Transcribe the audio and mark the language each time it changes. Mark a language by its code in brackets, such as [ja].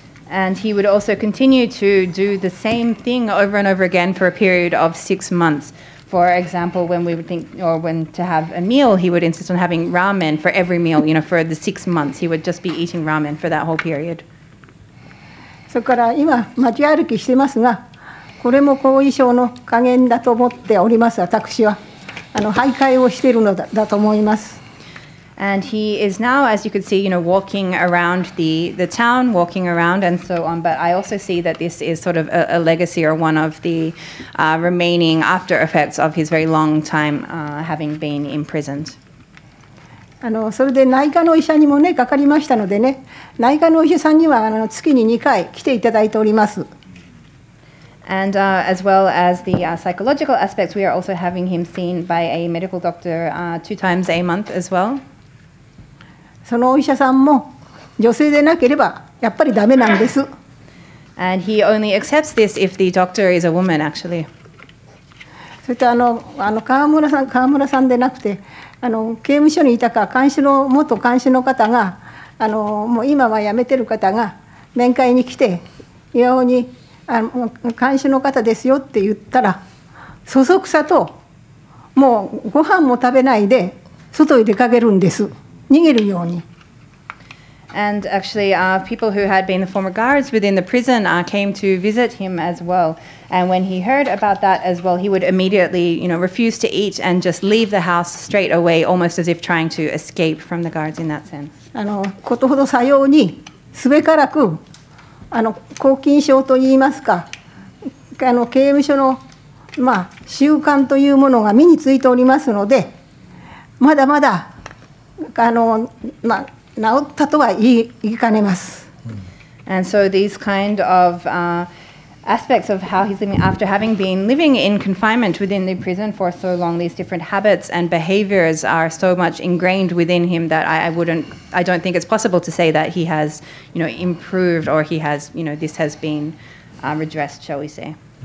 [en] And he would also continue to do the same thing over and over again for a period of 6 months. For example, when we would think or when to have a meal, he would insist on having ramen for every meal, you know, for the 6 months. He would just be eating ramen for that whole period. [ja] そこから今街歩きしてますが、これも後遺症の加減だと思っております。私は徘徊をしているのだと思います。 [en] And he is now, as you could see, you know, walking around the town, walking around and so on. But I also see that this is sort of a legacy or one of the remaining after effects of his very long time having been imprisoned. [ja] それで内科の医者にもねかかりましたのでね、内科の医者さんには月に2回来ていただいております。 [en] And as well as the psychological aspects, we are also having him seen by a medical doctor 2 times a month as well. [ja] そのお医者さんも女性でなければやっぱりダメなんです。 [en] And he only accepts this if the doctor is a woman, actually. [ja] それと川村さんでなくて、刑務所にいたか監視の元監視の方が、もう今は辞めてる方が面会に来て、岩尾に監視の方ですよって言ったら、そそくさともうご飯も食べないで外へ出かけるんです、逃げるように。 [en] And actually, people who had been the former guards within the prison came to visit him as well. And when he heard about that as well, he would immediately, you know, refuse to eat and just leave the house straight away, almost as if trying to escape from the guards in that sense. [ja] ことほどさようにすべからく拘禁症といいますか刑務所の、まあ、習慣というものが身についておりますのでまだまだ治ったとは言いかねます。 [en] And so these kind of, aspects of how he's living after having been living in confinement within the prison for so long, these different habits and behaviors are so much ingrained within him that I don't think it's possible to say that he has, you know, improved or he has, you know, this has been redressed, shall we say.